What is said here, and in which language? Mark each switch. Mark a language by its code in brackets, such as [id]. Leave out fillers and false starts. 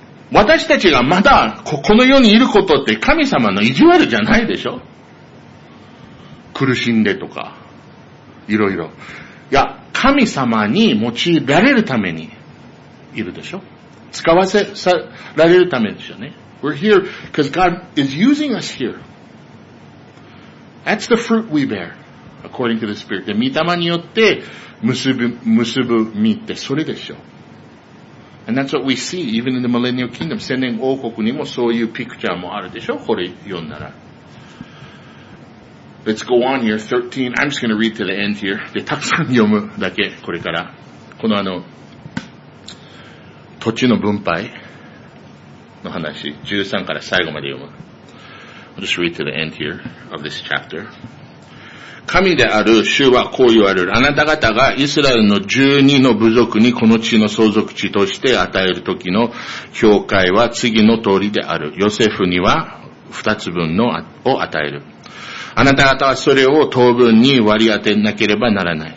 [ja] 私たちがまだ この世にいることって神様の意地悪じゃないでしょ。苦しんでとか、いろいろ。いや、神様に用いられるためにいるでしょ。使わせられるためでしょね。 [en] We're here because God is using us here. That's the fruit we bear. According to the Spirit. [ja] で、御霊によって結ぶ実ってそれでしょう。 [en] And that's what we see even in the Millennial Kingdom. [ja] 千年王国にもそういうピクチャーもあるでしょう。これ読んだら。 [en] Let's go on here, 13. I'm just going to read to the end here. [ja] で、たくさん読むだけ、これから。このあの、土地の分配の話、13から最後まで読む。 [en] I'll just read to the end here of this chapter. [ja] 神である主はこう言われる。あなた方がイスラエルの12の部族にこの地の相続地として与える時の境界は次の通りである。ヨセフには2つ分のを与える。あなた方はそれを当分に割り当てなければならない。